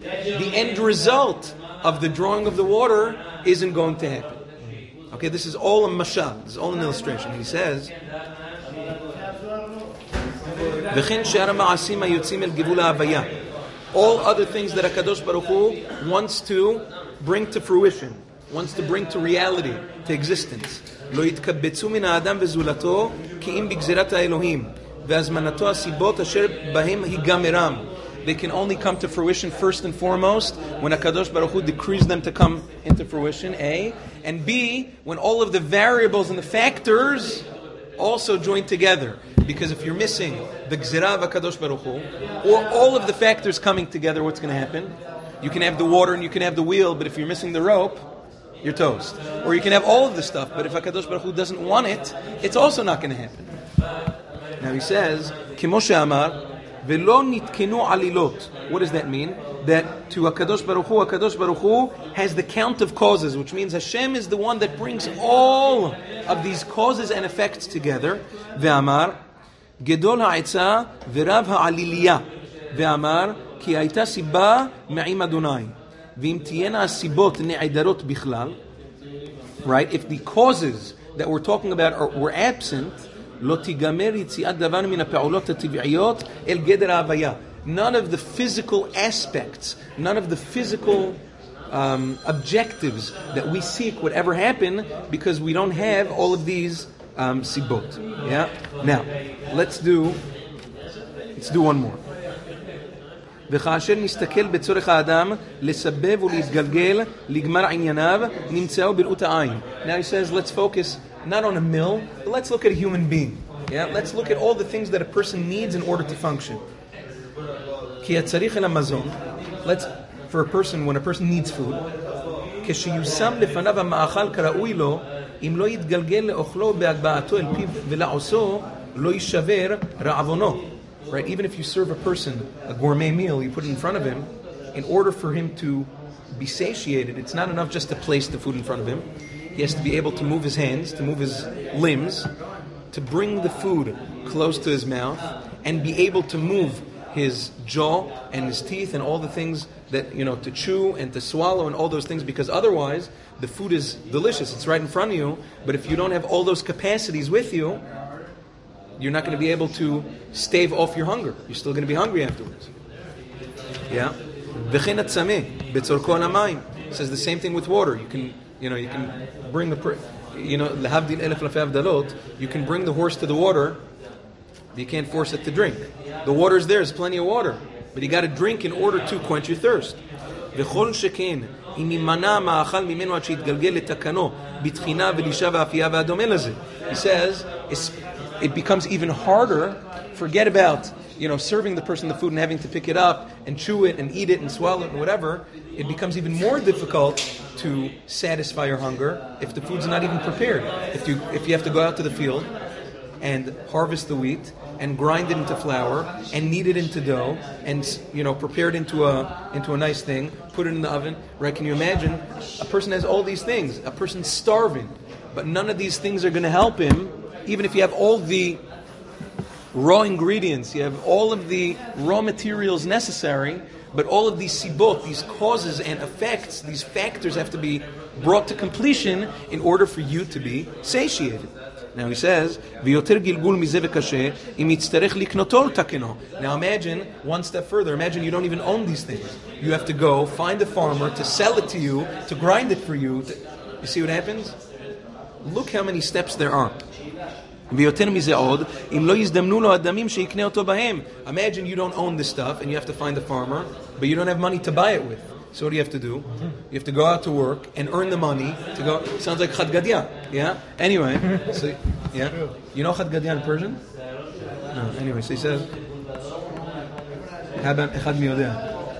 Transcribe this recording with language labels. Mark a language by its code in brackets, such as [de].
[en] The end result of the drawing of the water isn't going to happen. Okay, this is all a mashal. This is all an illustration. He says, [he] וכן שאר המעשים היוצאים אל גבול ההוויה. [en] All other things that HaKadosh Baruch Hu wants to bring to fruition, wants to bring to reality, to existence. [he] לא יתקבצו מן האדם וזולתו כי אם בגזירת האלוהים. והזמנתו הסיבות אשר בהם היגמרם. [en] They can only come to fruition first and foremost when HaKadosh Baruch Hu decrees them to come into fruition, A. And B, when all of the variables and the factors also join together. Because if you're missing the gzira of HaKadosh Baruch Hu, or all of the factors coming together, what's going to happen? You can have the water and you can have the wheel, but if you're missing the rope, you're toast. Or you can have all of the stuff, but if HaKadosh Baruch Hu doesn't want it, it's also not going to happen. Now he says, [he] כמו שאמר, ולא נתקנו עלילות. [en] What does that mean? That to HaKadosh Baruch Hu has the count of causes, which means Hashem is the one that brings all of these causes and effects together. [he] ואמר, גדול העצה ורב העליליה. ואמר, כי הייתה סיבה מעים אדוני. ואם תהיינה הסיבות נעדרות בכלל, [en] right? If the causes that we're talking about were absent, [he] לא תיגמר יציאת דבר מן הפעולות הטבעיות אל גדר ההוויה. [en] None of the physical aspects, none of the physical objectives that we seek would ever happen because we don't have all of these sibot. Yeah? Now, let's do one more. [he] וכאשר נסתכל בצורך האדם לסבב ולהתגלגל לגמר ענייניו נמצאו בראות העין. [en] Now he says, let's focus not on a mill, but let's look at a human being. Yeah? Let's look at all the things that a person needs in order to function. [he] כי הצריך אל המזון, [en] let's, for a person, when a person needs food, [he] כשיושם לפניו המאכל כראוי לו, אם לא יתגלגל לאוכלו בהגבעתו אל פיו ולעושו, לא יישבר רעבונו. [en] Right, even if you serve a person a gourmet meal, you put it in front of him, in order for him to be satiated, it's not enough just to place the food in front of him. He has to be able to move his hands, to move his limbs, to bring the food close to his mouth, and be able to move his jaw and his teeth and all the things that, you know, to chew and to swallow and all those things, because otherwise the food is delicious. It's right in front of you, but if you don't have all those capacities with you, you're not going to be able to stave off your hunger. You're still going to be hungry afterwards. Yeah? [he] וכן הצמא בצורכו למים. [en] Says the same thing with water. You can, you know, you can bring the, you know, [he] להבדיל אלף אלפי הבדלות, [en] you can bring the horse to the water, but you can't force it to drink. The water is there, there's plenty of water, but you got to drink in order to quench your thirst. [he] וכל שכן, אם ימנע מאכל ממנו עד שיתגלגל לתקנו, בתחינה ולישה ואפייה ואדומה לזה. [en] He says, it becomes even harder. Forget about, you know, serving the person the food and having to pick it up and chew it and eat it and swallow it and whatever. It becomes even more difficult to satisfy your hunger if the food's not even prepared. If you have to go out to the field and harvest the wheat and grind it into flour and knead it into dough and, you know, prepare it into a nice thing, put it in the oven, right? Can you imagine? A person has all these things. A person's starving, but none of these things are going to help him. Even if you have all the raw ingredients, you have all of the raw materials necessary, but all of these sibot, these causes and effects, these factors have to be brought to completion in order for you to be satiated. [he] Now he says, ויותר גלגול מזה וקשה, אם יצטרך לקנותו לתקנו. [en] Now imagine, one step further, imagine you don't even own these things. You have to go find a farmer to sell it to you, to grind it for you. You see what happens? Look how many steps there are. [he] ויותר מזה עוד, אם לא יזדמנו לו אדמים שיקנה אותו בהם. [en] Imagine you don't own this stuff and you have to find a farmer, but you don't have money to buy it with. So what do you have to do? You have to go out to work and earn the money to go. Sounds like Chad Gadya. Yeah. Anyway. So, yeah. You know Echad Gadya in Persian? No. Anyway, so he says, Haban Echad Miyodea.